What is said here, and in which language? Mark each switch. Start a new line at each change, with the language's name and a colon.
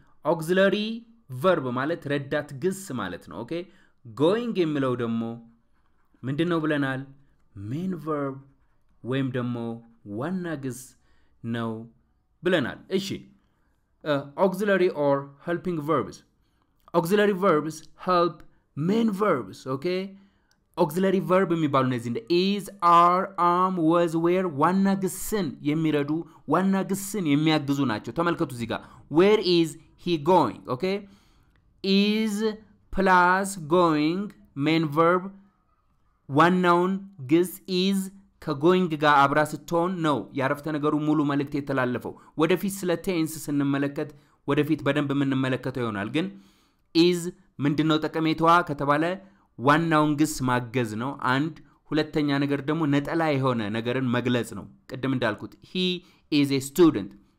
Amharic: auxiliary verb ማለት ረዳት ግስ ማለት ነው okay going የሚለው ደግሞ ምንድነው ብለናል main verb ወይም ደግሞ ዋና ግስ ነው ብለናል እሺ
English: auxiliary or helping verbs. Auxiliary verbs help main verbs, okay?
Amharic: Auxiliary verb የሚባሉ ነዚህ እንደ is, are, am, was, where, ዋና ግስን የሚረዱ ዋና ግስን የሚያግዙ ናቸው. ተመልከቱ እዚህ ጋር
English: where is he going, okay?
Amharic: is plus going main verb ዋናውን ግስ is ከgoing ጋር አብራ ስትሆን ነው ያረፍተ ነገሩ ሙሉ መልእክት የተላለፈው ወደፊት ስለ tense ስንመለከት ወደፊት በደንብ ምንመለከተው ይሆናል ግን is ምንድነው ጠቀሜቷ ከተባለ ዋናውን ግስ ማገዝ ነው አንድ ሁለተኛ ነገር ደግሞ ነጠላ የሆነ ነገርን መግለጽ ነው ቀደም እንዳልኩት
English: he is a student